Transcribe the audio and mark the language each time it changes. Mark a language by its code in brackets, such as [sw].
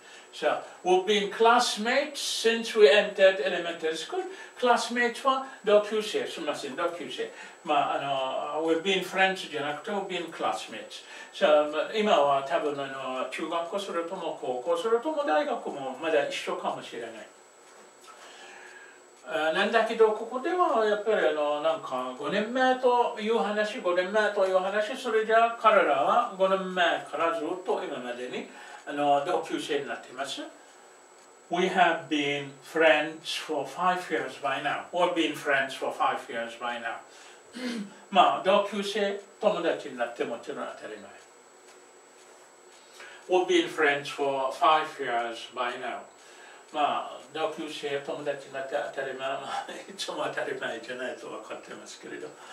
[en] So, we've been classmates since we entered elementary school. [ja] Classmates は同級生、すみません、同級生。 [en] まあ、we've been friends [ja] じゃなくて、 [en] we've been classmates. [ja] So, 今は多分中学校それとも高校それとも大学もまだ一緒かもしれない。なんだけど、ここではやっぱりなんか5年前という話、5年前という話、それじゃ彼らは5年前からずっと今までに同級生になっています。 [en] We have been friends for 5 years by now. We've been friends for 5 years by now. [ja] まあ、同級生、友達になってもちろん当たり前。 [en] We've been friends for 5 years by now. [ja] まあ、同級生、友達になって当たり前、いつも当たり前じゃないと分かってますけれど。